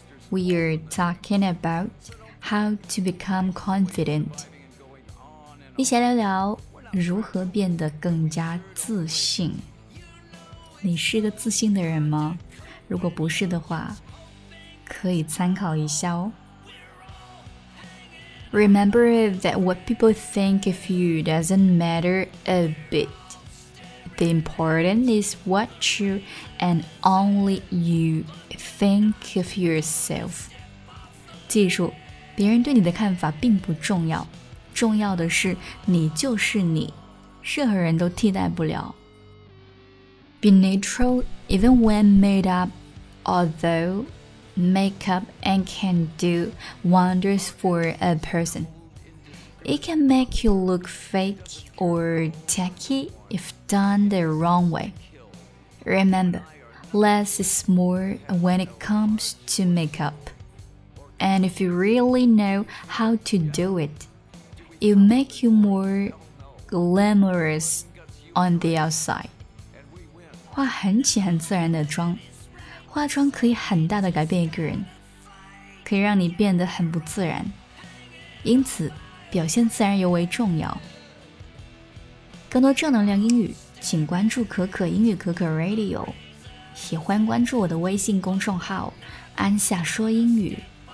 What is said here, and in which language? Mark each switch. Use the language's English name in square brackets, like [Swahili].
[English] We are talking about how to become confident， [Chinese] 一起来聊聊如何变得更加自信。你是个自信的人吗？如果不是的话，可以参考一下哦。 [English] Remember that what people think of you doesn't matter a bit. The important is what you and only you think of yourself. [Chinese] 记住，别人对你的看法并不重要，重要的是你就是你，任何人都替代不了。 [English] Be natural even when made up, although make up and can do wonders for a person. It can make you look fake or tacky if done the wrong way. Remember, less is more when it comes to makeup. And if you really know how to do it,It make you more glamorous on the outside. [Chinese] 化很浅很自然的妆，化妆可以很大的改变一个人，可以让你变得很不自然。因此，表现自然尤为重要。更多正能量英语，请关注可可英语可可 Radio。喜欢关注我的微信公众号"安夏说英语"。